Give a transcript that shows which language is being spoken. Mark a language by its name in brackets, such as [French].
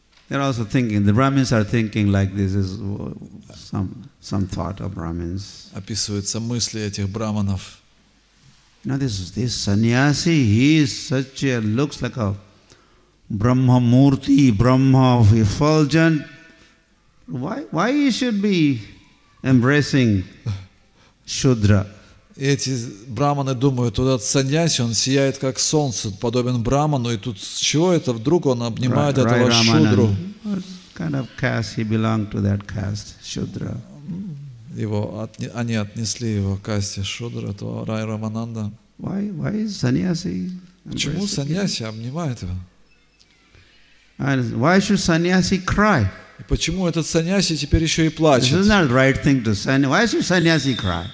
[English] They're also thinking, the Brahmins are thinking like this is some thought of Brahmins. [Russian] Описываются мысли этих брахманов. [English] You know, this саньяси, he is such a, looks like a Brahma murti, Brahma effulgent. Why he should be embracing Shudra? [Russian] Эти брахманы думают, вот этот саньяси, он сияет как солнце, подобен брахману, и тут с чего это вдруг он обнимает этого шудру? [English] Kind of caste he belonged to that caste, Shudra. [Russian] Его они отнесли его к касте шудра, то Рай Рамананда. [English] Why is саньяси? [Russian] Почему саньяси обнимает его? [English] And why should саньяси cry? [Russian] Почему этот саньяси теперь еще и плачет? [English] This is not right thing to say. Why should саньяси cry?